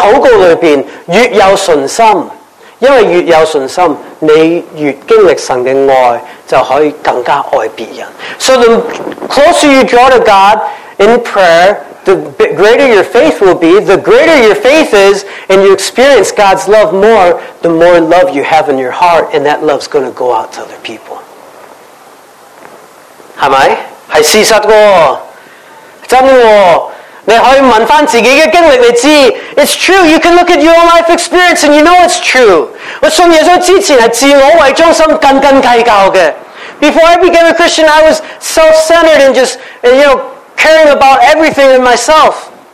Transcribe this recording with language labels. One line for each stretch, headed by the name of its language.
Chinese: 所以你越亲近神，在祷告里面越有信心。因为越有信心，你越经历神的爱，就可以更加爱别人。
English: So the closer you draw to God in prayer, the greater your faith will be. The greater your faith is, and you experience God's love more, the more love you have in your heart, and that love's going to go out to other people.
Chinese: 是吗?是事实的。真的。你可以问自己的经历来知,
English: it's true. You can look at your own life experience and you know it's true.
Chinese: 我信耶稣之前是自我为中心斤斤计较的。
English: Before I became a Christian, I was self-centered and just, you know, caring about everything in myself.